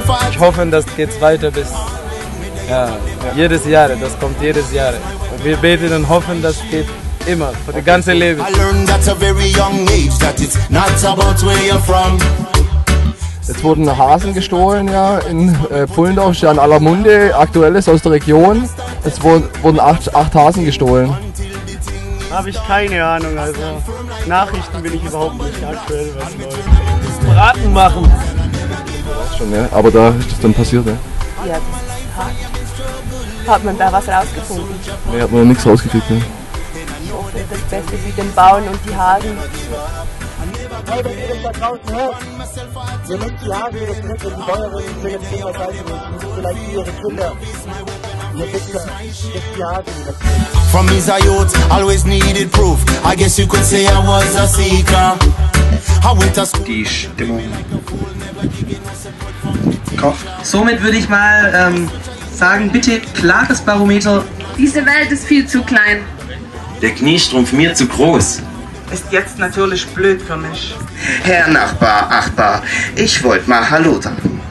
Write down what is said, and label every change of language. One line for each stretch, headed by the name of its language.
German: Ich hoffe, das geht weiter bis jedes Jahr. Das kommt jedes Jahr. Und wir beten und hoffen, das geht. Immer, für die ganze Leben.
English: I learned at a very young age that it's not about where you're from.
German: Es wurden Hasen gestohlen, ja, in Pfullendorf, ja, in aller Munde, aktuelles aus der Region. Es wurden acht Hasen gestohlen. Habe ich keine Ahnung, also Nachrichten bin ich überhaupt nicht aktuell, was läuft. Braten machen. Weiß schon, ja, aber da ist das dann passiert, ja. Ja, hat man da was rausgefunden? Nee, hat man nichts rausgekriegt, ne? Ja. Das Beste wie den Bauern und die Hasen.
English: From his youth, always needed proof. I guess you could say I was a seeker. I went to school.
German: Die Stimmung. Kopf. Somit würde ich mal sagen, bitte klares Barometer. Diese Welt ist viel zu klein. Der Kniestrumpf mir zu groß. Ist jetzt natürlich blöd für mich. Herr Nachbar, Achbar, ich wollte mal Hallo sagen.